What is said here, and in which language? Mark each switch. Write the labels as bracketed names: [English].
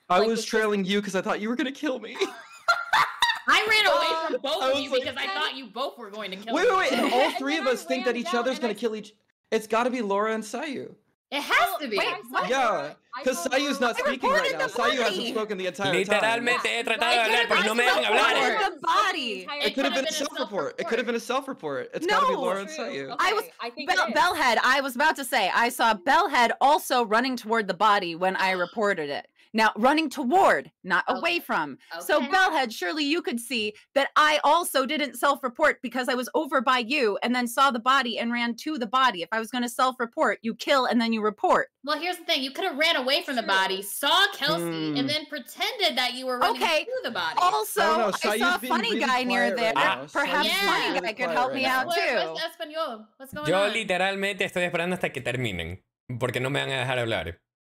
[English] I was trailing you because I thought you were going to kill me. I ran away from both of you because I thought you both were going to kill me. Wait. All three of us think that each other's going to kill each. It's got to be Laura and Sayu. It has to be. Wait, yeah, because Sayu's not speaking right now. Sayu hasn't spoken the entire time. [Spanish] Literalmente he tratado de hablar, pero no me dejan hablar. [English] The body. It could have been a self-report. It could have been a self-report. It's got to be Laura and Sayu. I was Bellhead. I was about to say I saw Bellhead also running toward the body when I reported it. Now, running toward, not away from. Okay. So, Bellhead, surely you could see that I also didn't self-report because I was over by you and then saw the body and ran to the body. If I was going to self-report, you kill and then you report. Well, here's the thing. You could have ran away from the body, saw Kelsey, and then pretended that you were running to the body. Also, I saw a funny guy near there. Perhaps funny guy could help me out, too. What's going on? [Spanish] Yo literalmente estoy esperando hasta que terminen porque no me van a dejar hablar.